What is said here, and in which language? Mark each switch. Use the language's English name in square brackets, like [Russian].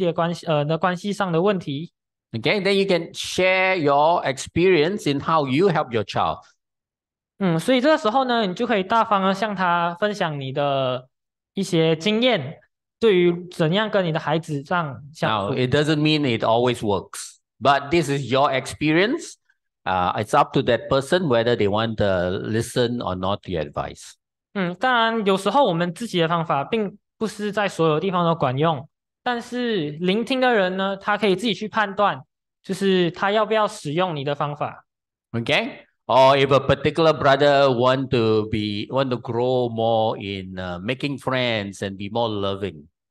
[Chinese] 所以我们做一个比方，当你现在看到有一个家长，他跟他的孩子之间有一些关系上的问题。 [English] Okay, then you can share your experience in how you help your child. [Chinese] 所以这个时候呢，你就可以大方的向他分享你的一些经验，对于怎样跟你的孩子这样相处。 [English] Now, it doesn't mean it always works. But this is your experience. It's up to that person whether they want to listen or not to your advice. [Chinese] 当然，有时候我们自己的方法并不是在所有地方都管用。但是聆听的人呢，他可以自己去判断，就是他要不要使用你的方法。 [English] Okay. Or if a particular brother want to grow more in making friends and be more loving.